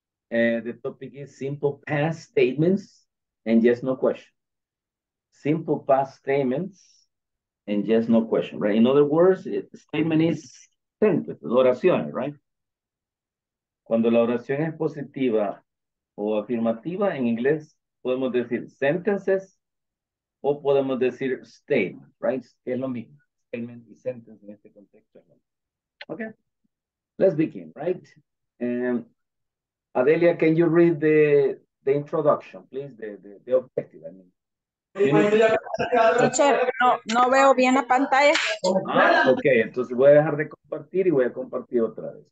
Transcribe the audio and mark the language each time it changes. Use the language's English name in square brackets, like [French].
[English] The topic is simple past statements and yes, no question. Simple past statements and yes, no question, right? In other words, statement is sentences, oraciones, right? [Spanish] Cuando la oración es positiva o afirmativa en inglés, podemos decir sentences o podemos decir statement, right? Es lo mismo. Statement y sentence en este contexto. [English] Okay. Let's begin, right? Adelia, can you read the introduction, please? The objective, I mean. [Spanish] Teacher, no veo bien la pantalla. Ah, ok, entonces voy a dejar de compartir y voy a compartir otra vez.